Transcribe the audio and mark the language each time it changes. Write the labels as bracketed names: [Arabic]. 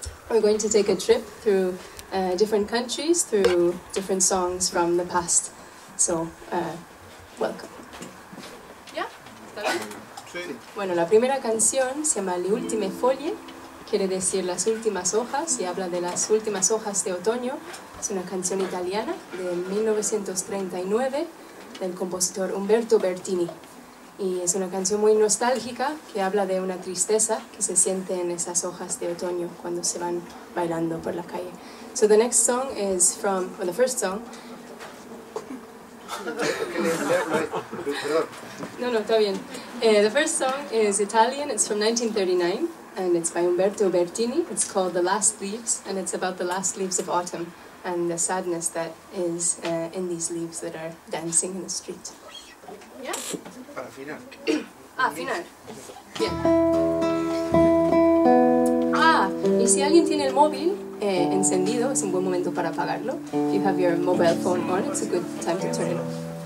[English] We're going to take a trip through different countries, through different songs from the past. So, welcome. Yeah, [Spanish] está bien. Bueno, la primera canción se llama Le Ultime Folie, quiere decir las últimas hojas, y habla de las últimas hojas de otoño. Es una canción italiana de 1939 del compositor Umberto Bertini. Y es una canción muy nostálgica que habla de una tristeza que se siente en esas hojas de otoño cuando se van bailando por la calle. [English] So the next song is from, well, the first song. [Spanish] No, está bien. [English] The first song is Italian, it's from 1939, and it's by Umberto Bertini. It's called The Last Leaves, and it's about the last leaves of autumn and the sadness that is in these leaves that are dancing in the street. Yeah? [Spanish] Para final. [English] Ah, final. Yeah. [Spanish] Ah, y si alguien tiene el móvil encendido, es un buen momento para apagarlo. [English] If you have your mobile phone on, it's a good time to turn it off.